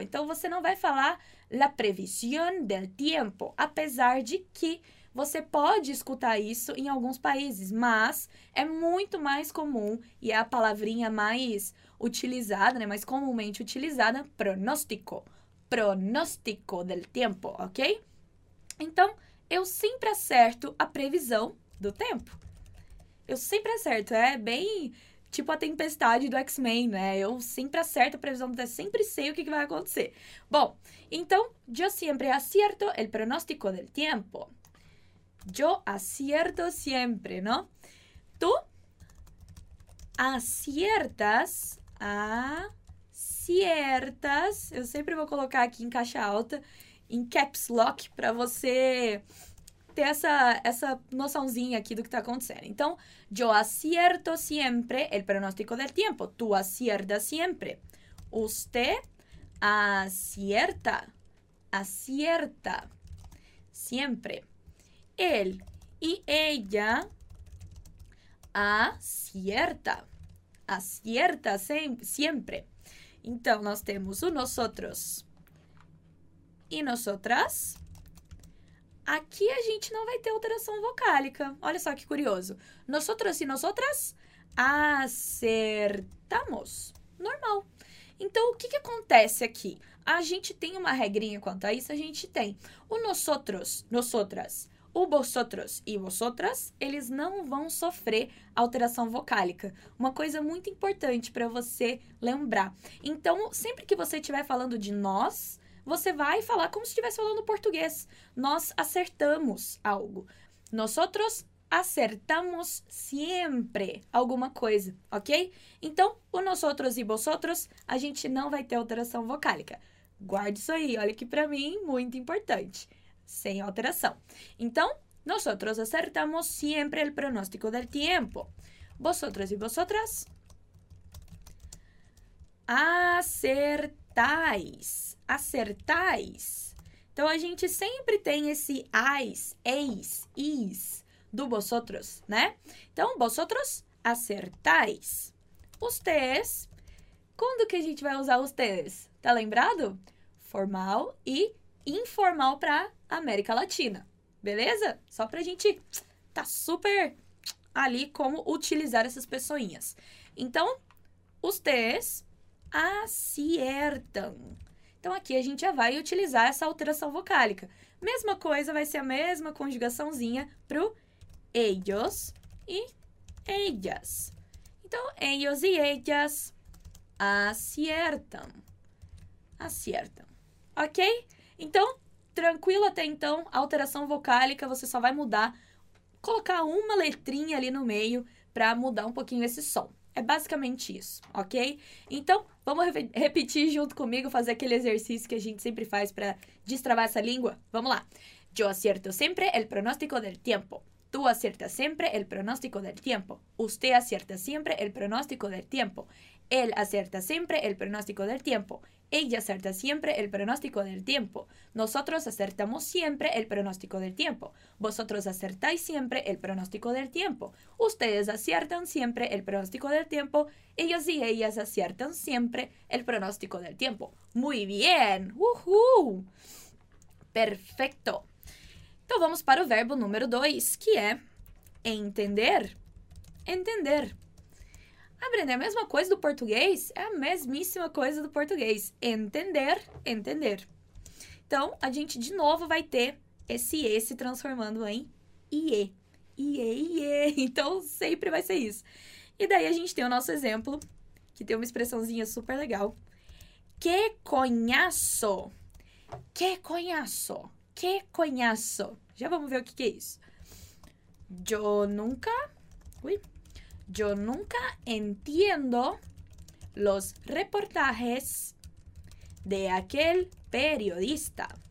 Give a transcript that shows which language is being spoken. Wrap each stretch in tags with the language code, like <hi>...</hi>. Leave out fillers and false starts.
<pt>Então, você não vai falar</pt> <es>la previsión del tiempo,</es> <pt>apesar de que você pode escutar isso em alguns países, mas é muito mais comum e é a palavrinha mais utilizada, né, mais comumente utilizada, pronóstico, pronóstico del tiempo, ok? Então, eu sempre acerto a previsão do tempo. Eu sempre acerto, é bem tipo a tempestade do X-Men, né? Eu sempre acerto a previsão do tempo, sempre sei o que vai acontecer. Bom, então,</pt> <es>yo siempre acierto el pronóstico del tiempo. Yo acierto siempre, ¿no? Tú aciertas, aciertas.</es> <pt>Eu sempre vou colocar aqui em caixa alta, em caps lock, para você ter essa noçãozinha aqui do que está acontecendo.</pt> <es>Então, yo acierto siempre el pronóstico del tiempo. Tú aciertas siempre. Usted acierta, acierta siempre. Él y ella acierta, acierta siempre.</es> <pt>Então, nós temos o nosotros e nosotras. Aqui a gente não vai ter alteração vocálica. Olha só que curioso.</pt> <es>Nosotros e nosotras acertamos.</es> <pt>Normal. Então, o que que acontece aqui? A gente tem uma regrinha quanto a isso? A gente tem o nosotros, nosotras. O vosotros e vosotras, eles não vão sofrer alteração vocálica. Uma coisa muito importante para você lembrar. Então, sempre que você estiver falando de nós, você vai falar como se estivesse falando português. Nós acertamos algo.</pt> <es>Nosotros acertamos siempre</es> <pt>alguma coisa, ok? Então, o nosotros e vosotros, a gente não vai ter alteração vocálica. Guarde isso aí, olha aqui para mim, muito importante. Sem alteração.</pt> <es>Então, nosotros acertamos siempre el pronóstico del tiempo. Vosotros y vosotras acertáis, acertáis.</es> <pt>Então, a gente sempre tem esse ais, eis, is do vosotros, né? Então,</pt> <es>vosotros acertáis.</es> <pt>Ustedes, quando que a gente vai usar ustedes? Tá lembrado? Formal e informal para América Latina, beleza? Só pra gente tá super ali como utilizar essas pessoinhas.</pt> <es>Então, ustedes aciertam.</es> <pt>Então, aqui a gente já vai utilizar essa alteração vocálica. Mesma coisa, vai ser a mesma conjugaçãozinha pro ellos e ellas.</pt> <es>momento, ellos y ellas aciertan. Aciertan. Ok?</es> <pt>Então, tranquilo até então, a alteração vocálica, você só vai mudar, colocar uma letrinha ali no meio para mudar um pouquinho esse som. É basicamente isso, ok? Então, vamos repetir junto comigo, fazer aquele exercício que a gente sempre faz para destravar essa língua? Vamos lá.</pt> <es>Yo acierto siempre el pronóstico del tiempo. Tú aciertas siempre el pronóstico del tiempo. Usted acierta siempre el pronóstico del tiempo. Él acierta siempre el pronóstico del tiempo. Ella acierta siempre el pronóstico del tiempo. Nosotros acertamos siempre el pronóstico del tiempo. Vosotros acertáis siempre el pronóstico del tiempo. Ustedes aciertan siempre el pronóstico del tiempo. Ellos y ellas aciertan siempre el pronóstico del tiempo. ¡Muy bien! ¡Woohoo! ¡Perfecto!</es> <pt>Então vamos para o verbo número 2, que é entender. Entender. Aprender é a mesma coisa do português? É a mesmíssima coisa do português. Entender, entender. Então, a gente de novo vai ter esse E se transformando em IE. IE, IE. Então, sempre vai ser isso. E daí a gente tem o nosso exemplo, que tem uma expressãozinha super legal.</pt> <es>Que conhaço. Que conhaço. Que conhaço.</es> <pt>Já vamos ver o que, que é isso. Eu nunca... Ui.</pt> <es>Yo nunca entiendo los reportajes de aquel periodista.</es>